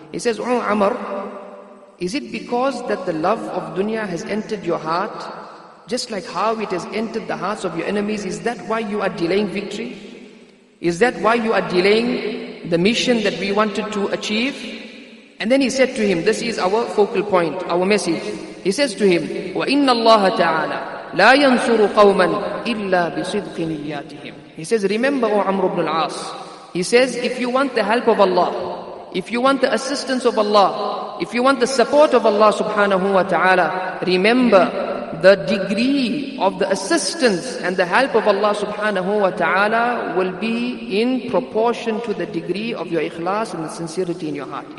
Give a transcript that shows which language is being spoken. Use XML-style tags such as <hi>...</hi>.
<en>He says, oh Amr, is it because that the love of dunya has entered your heart, just like how it has entered the hearts of your enemies? Is that why you are delaying victory? Is that why you are delaying the mission that we wanted to achieve? And then he said to him, this is our focal point, our message. He says to him,</en> <ar>وَإِنَّ اللَّهَ تَعَالَى لَا يَنْصُرُ قَوْمًا إِلَّا بِصِدْقِ نِيَّاتِهِمْ.</ar> <en>He says, remember, O Amr ibn al-As. He says, if you want the help of Allah, if you want the assistance of Allah, if you want the support of Allah subhanahu wa ta'ala, remember the degree of the assistance and the help of Allah subhanahu wa ta'ala will be in proportion to the degree of your ikhlas and the sincerity in your heart.</en>